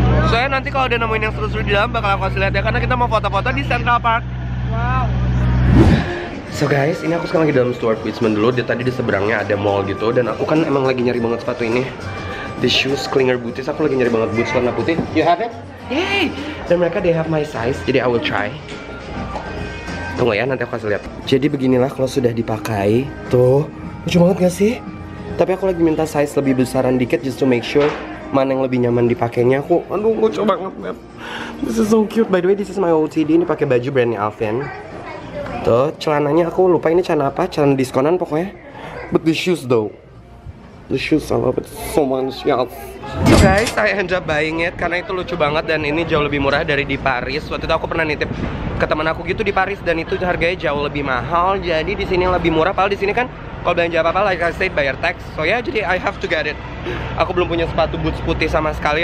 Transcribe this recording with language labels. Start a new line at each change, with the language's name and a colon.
Indonesian: Soalnya nanti kalau udah nemuin yang seru-seru di dalam bakal aku kasih lihat ya, karena kita mau foto-foto di Central Park. Wow. So guys, ini aku sekarang lagi dalam Stuart Weitzman dulu. Dia tadi di seberangnya ada mall gitu dan aku kan emang lagi nyari banget sepatu ini.
English: The shoes
Indonesian: Clinger Booties, aku lagi nyari banget boots warna putih.
English: You have it? Yay!
Indonesian: Dan mereka
English: they have my size,
Indonesian: jadi
English: I will try.
Indonesian: Tunggu ya, nanti aku kasih lihat. Jadi beginilah kalau sudah dipakai. Tuh, lucu banget gak sih? Tapi aku lagi minta size lebih besaran dikit
English: just to make sure
Indonesian: mana yang lebih nyaman dipakainya. Aku, aduh, lucu banget,
English: man. This is so cute. By the way, this is my OOTD.
Indonesian: Ini pakai baju brandnya Alvin. Tuh, celananya aku lupa ini celana apa, celana diskonan pokoknya.
English: But the shoes though, the shoes I love it so much, yes. So guys, I end up buying it
Indonesian: karena itu lucu banget dan ini jauh lebih murah dari di Paris. Waktu itu aku pernah nitip ke teman aku gitu di Paris dan itu harganya jauh lebih mahal. Jadi di sini lebih murah. Padahal di sini kan kalau belanja apa-apa
English: like I said
Indonesian: bayar tax.
English: So yeah,
Indonesian: jadi
English: I have to get it.
Indonesian: Aku belum punya sepatu boots putih sama sekali.